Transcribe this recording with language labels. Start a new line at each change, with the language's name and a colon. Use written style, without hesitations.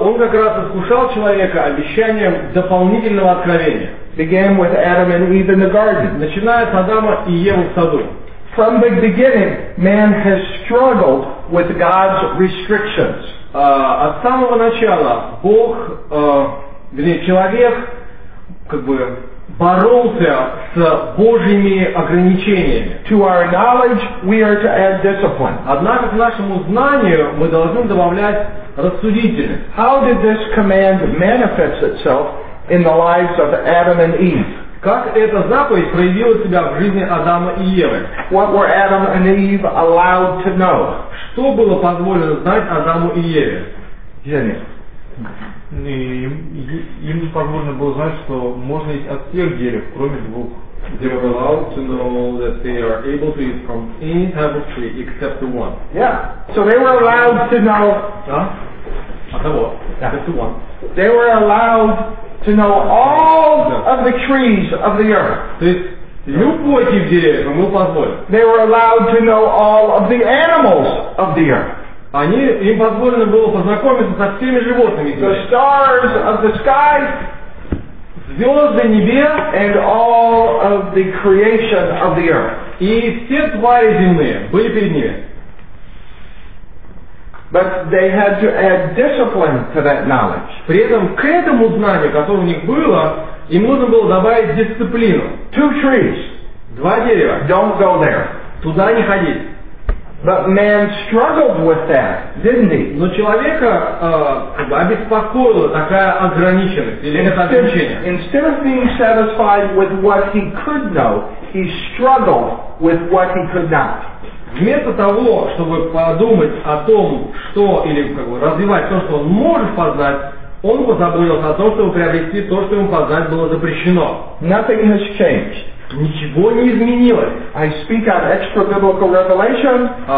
Russian: Он как раз искушал человека обещанием дополнительного откровения.
English: Began with Adam and Eve in the garden.
Russian: Начиная с Адама и Евы в саду.
English: From the beginning, man has struggled with God's restrictions.
Russian: От самого начала Бог, человек, как бы боролся с Божьими ограничениями.
English: To our knowledge, we are to add discipline.
Russian: Однако к нашему знанию мы должны добавлять рассудительность.
English: How did this command manifest itself in the lives of Adam and Eve?
Russian: Как эта заповедь проявила себя в жизни Адама и Евы?
English: What were Adam and Eve allowed to know?
Russian: Что было позволено знать Адаму и Еве? Жене. Им позволено было знать, что можно есть от всех деревьев, кроме двух.
English: They were allowed to know that they are able to eat from any type of tree except the one. Yeah. So they were allowed to know. They were allowed to know all of the trees of the earth.
Russian: Любой тип деревьев был позволен.
English: They were allowed to know all of the animals of the earth.
Russian: Им позволено было познакомиться со всеми животными.
English: The stars of the sky.
Russian: Звезды небес.
English: And all of the creation of the earth.
Russian: И все твари земные были перед ними.
English: But they had to add discipline to that knowledge.
Russian: При этом к этому знанию, которое у них было, им нужно было добавить дисциплину.
English: Two trees.
Russian: Два дерева.
English: Don't go there.
Russian: Туда не ходить.
English: But man struggled with that, didn't he?
Russian: Но человека обеспокоила такая ограниченность или это ограничение.
English: Instead of being satisfied with what he could know, he struggled with what he could not.
Russian: Вместо того, чтобы подумать о том, что или как бы развивать то, что он может познать, он позаботился о том, чтобы приобрести то, что ему познать было запрещено.
English: Nothing has changed.
Russian: Ничего не изменилось.
English: I speak on extra-biblical revelation.